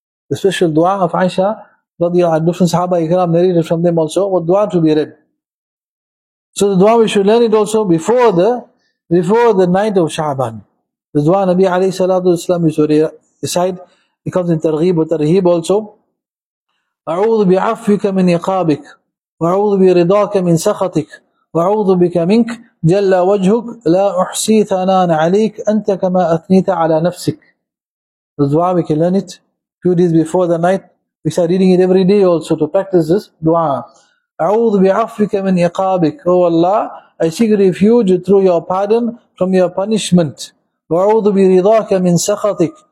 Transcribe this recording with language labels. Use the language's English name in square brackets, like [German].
[English] The special dua of Aisha, different Sahaba Ikram narrated from them also, what dua to be read. So the dua, we should learn it also before the night of Sha'ban. The dua Nabi alayhi salatu wasalam is very recited. It comes in targhib and tarheeb also. [Arabic] أعوذ بعفوك من إقابك وأعوذ برضاك من سخطك وأعوذ بك منك جل وجهك لا أحصي ثناء عليك أنت كما أثنيت على نفسك. [English] This dua, we can learn it few days before the night. We start reading it every day also to practice this dua. [Arabic] أعوذ بعفوك من إقابك. [English] Oh Allah, I seek refuge through your pardon from your punishment. [Arabic] وأعوذ برضاك من سخطك.